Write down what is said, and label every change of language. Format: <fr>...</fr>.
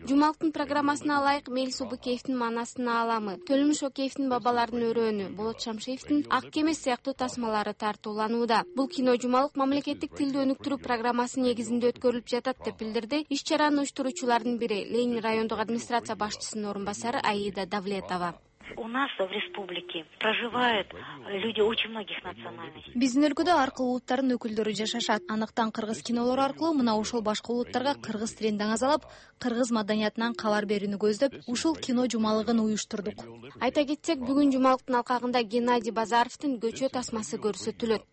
<ky>Жумалыктын программасына ылайык Мелис Убакеевдин Манасын Ааламы, Төлүмүш Океевдин Бабалардын Өрөөнү, Болот Шамшеевдин Ак Кемес сыяктуу тасмалары тартууланууда. Бул кино жумалык мамлекеттик тилди өнүктүрүү программасы негизинде өткөрүлүп жатат деп билдирди иш чараны уюштуруучулардын бири Ленин райондук администрация башчы орун басары Аида Давлетова.</ky> <ru>У нас в республике проживают люди очень многих национальностей.</ru> <ky>Биздин өлкөдө ар кыл улуттардын өкүлдөрү жашашат. Андыктан кыргыз кинолору аркылуу мына ушул башка улуттарга кыргыз тилин даңазалап, кыргыз маданиятынан кабар берүүнү көздөп, ушул кино жумалыгын уюштурдук. Айта кетсек, бүгүн жумалыктын алкагында Геннадий Базаровдун Көчө тасмасы көрсөтүлөт.</ky>